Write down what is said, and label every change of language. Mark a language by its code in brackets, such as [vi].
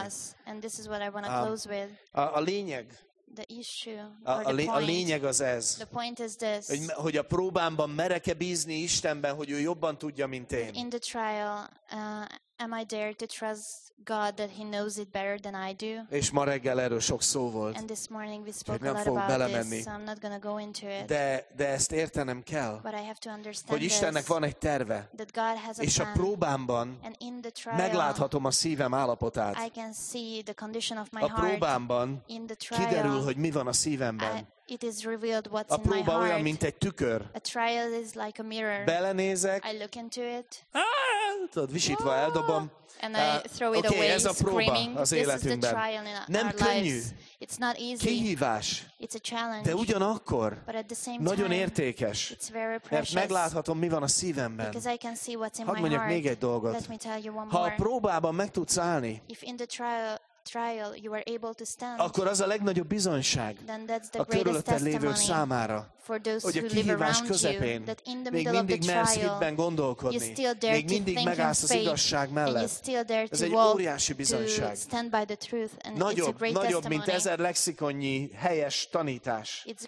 [en] For us, and this is what I want to close with. [hu] A lényeg. [en] The issue. [hu] A lényeg az ez. [en] The point is this. [hu] Hogy a próbámban merek-e bízni Istenben, hogy ő jobban tudja, mint én. [en] In the trial, am I dare to trust God that he knows it better than I do? [hu] És ma reggel erről sok szó volt. [en] And this morning we spoke a lot about [hu] belemenni. [en] This, so I'm not going to go into it. [hu] De ezt értenem kell, [en] but I have to understand [hu] hogy Istennek [en] this, [hu] van egy terve, [en] that God has a [hu] és [en] plan, [hu] a próbámban [en] and in the trial, [hu] megláthatom a szívem állapotát. [en] I can see the condition of my [hu] a próbámban [en] heart, in the trial, [hu] kiderül, hogy mi van a szívemben. [en] I, It is revealed what's [hu] a próba [en] in my heart. [hu] Olyan, mint egy tükör. [en] A trial is like a mirror. [hu] Belenézek. [en] I look into it. [hu] Tudod, visítva eldobom. [en] And I throw it away, [hu] ez a próba [en] screaming. [hu] Az életünkben. [en] This is the trial in our [hu] nem [en] lives. [hu] Könnyű. [en] It's not easy. [hu] Kihívás. [en] It's a challenge. [hu] De ugyanakkor [en] but at the same time, [hu] nagyon értékes. [en] It's very precious. [hu] Mert megláthatom, mi van a szívemben. [en] Because I can see what's in my heart. [hu] Hadd mondjak még egy dolgot. [en] Let me tell you one more. [hu] Ha a próbában meg tudsz állni, [en] if in the trial, trial, you are able to stand, [hu] akkor az a legnagyobb bizonyság a körülötted lévő számára, hogy a kihívás közepén még mindig mersz hitben gondolkodni, még mindig megállsz az igazság mellett. Ez egy óriási bizonyság. Nagyobb, nagyobb, mint ezer lexikonnyi helyes tanítás.